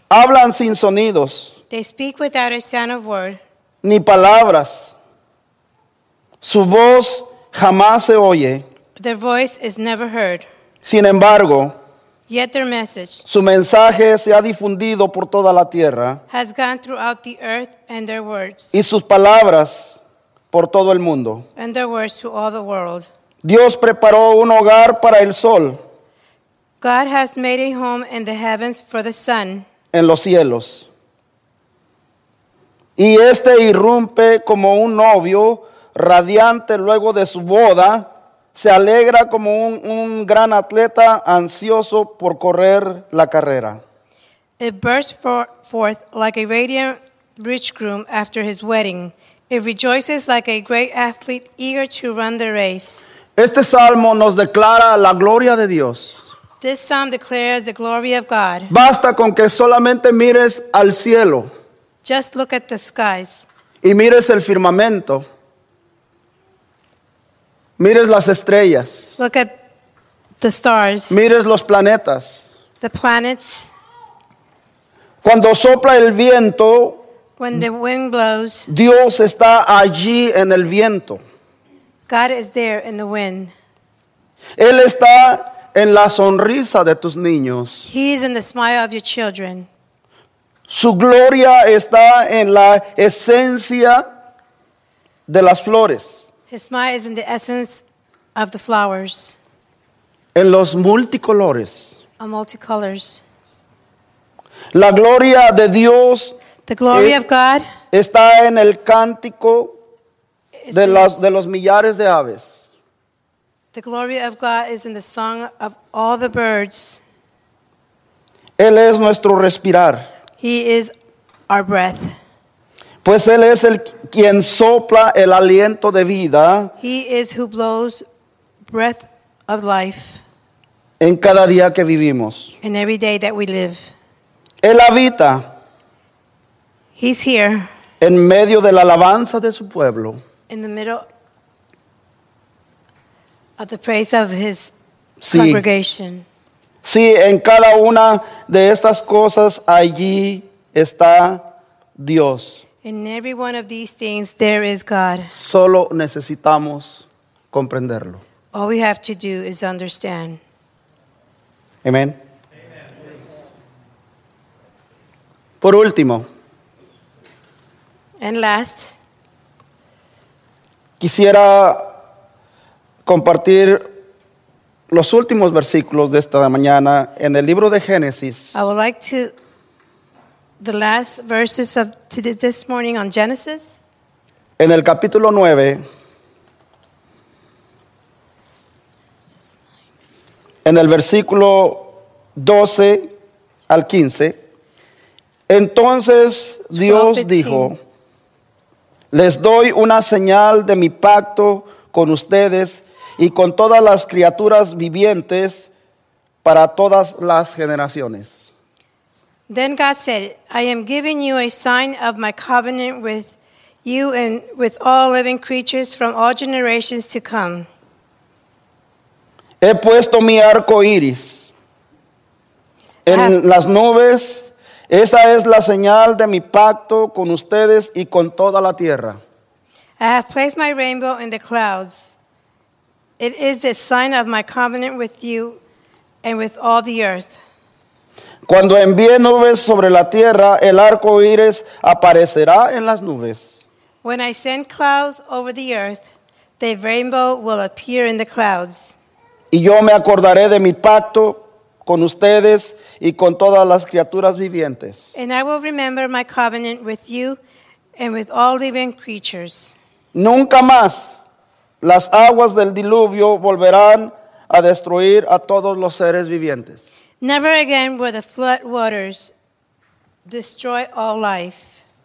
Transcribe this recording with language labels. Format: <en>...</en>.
<es>Hablan sin sonidos.</es> <en>They speak without a sound of word.</en> <es>Ni palabras. Su voz jamás se oye.</es> <en>Their voice is never heard.</en> <es>Sin embargo,</es> <en>yet their message,</en> <es>su mensaje se ha difundido por toda la tierra,</es> <en>has gone throughout the earth, and their words,</en> <es>y sus palabras por todo el mundo,</es> <en>and their words to all the world.</en> <es>Dios preparó un hogar para el sol,</es> <en>God has made a home in the heavens for the sun,</en> <es>en los cielos, y este irrumpe como un novio radiante luego de su boda. Se alegra como un gran atleta ansioso por correr la carrera.</es> <en>It bursts forth like a radiant rich groom after his wedding. It rejoices like a great athlete eager to run the race.</en> <es>Este salmo nos declara la gloria de Dios.</es> <en>This psalm declares the glory of God.</en> <es>Basta con que solamente mires al cielo.</es> <en>Just look at the skies.</en> <es>Y mires el firmamento. Mires las estrellas.</es> <en>Look at the stars.</en> <es>Mires los planetas.</es> <en>The planets.</en> <es>Cuando sopla el viento.</es> <en>When the wind blows,</en> <es>Dios está allí en el viento.</es> <en>God is there in the wind.</en> <es>Él está en la sonrisa de tus niños.</es> <en>He is in the smile of your children.</en> <es>Su gloria está en la esencia de las flores.</es> <en>His smile is in the essence of the flowers.</en> <es>En los multicolores.</es> <en>A multicolors.</en> <es>La gloria de Dios.</es> <en>The glory of God.</en> <es>Está en el cántico de los millares de aves.</es> <en>The glory of God is in the song of all the birds.</en> <es>Él es nuestro respirar.</es> <en>He is our breath.</en> <es>Pues Él es el quien sopla el aliento de vida.</es> <en>He is who blows breath of life.</en> <es>En cada día que vivimos.</es> <en>In every day that we live.</en> <es>Él habita.</es> <en>He's here.</en> <es>En medio de la alabanza de su pueblo.</es> <en>In the middle of the praise of his congregation.</en> <es>Sí, en cada una de estas cosas allí está Dios.</es> <en>In every one of these things, there is God.</en> <es>Solo necesitamos comprenderlo.</es> <en>All we have to do is understand. Amen. Amen.</en> <es>Por último.</es> <en>And last.</en> <es>Quisiera compartir los últimos versículos de esta mañana en el libro de Génesis.</es> <en>I would like to the last verses of this morning on Genesis.</en> <es>En el capítulo 9. En el versículo 12 al 15. Entonces Dios dijo, les doy una señal de mi pacto con ustedes y con todas las criaturas vivientes para todas las generaciones.</es> <en>Then God said, I am giving you a sign of my covenant with you and with all living creatures from all generations to come.</en> <es>He puesto mi arco iris en las nubes. Esa es la señal de mi pacto con ustedes y con toda la tierra.</es> <en>I have placed my rainbow in the clouds. It is the sign of my covenant with you and with all the earth.</en> <es>Cuando envíe nubes sobre la tierra, el arco iris aparecerá en las nubes.</es> <en>When I send clouds over the earth, the rainbow will appear in the clouds.</en> <es>Y yo me acordaré de mi pacto con ustedes y con todas las criaturas vivientes.</es> <en>And I will remember my covenant with you and with all living creatures.</en> <es>Nunca más las aguas del diluvio volverán a destruir a todos los seres vivientes.</es> <en>Never again will the flood waters destroy all life.</en>